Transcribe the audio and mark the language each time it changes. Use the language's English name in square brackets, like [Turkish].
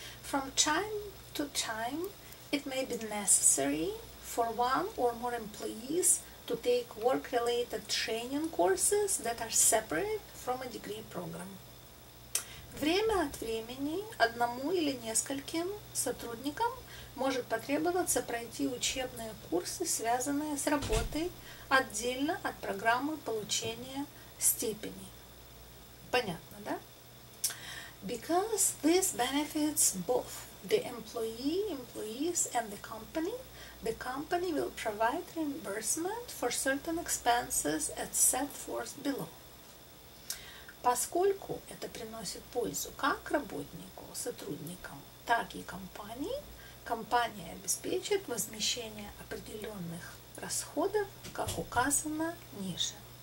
[English] From time to time, it may be necessary for one or more employees to take work-related training courses that are separate from a degree program. [Russian] Время от времени одному или нескольким сотрудникам может потребоваться пройти учебные курсы, связанные с работой, отдельно от программы получения степени. Понятно, да? [English] Because this benefits both the employee, employees and the company will provide reimbursement for certain expenses as set forth below. [Russian] Поскольку это приносит пользу как работнику, сотрудникам, так и компании, компания обеспечит возмещение определенных расходов, как указано ниже.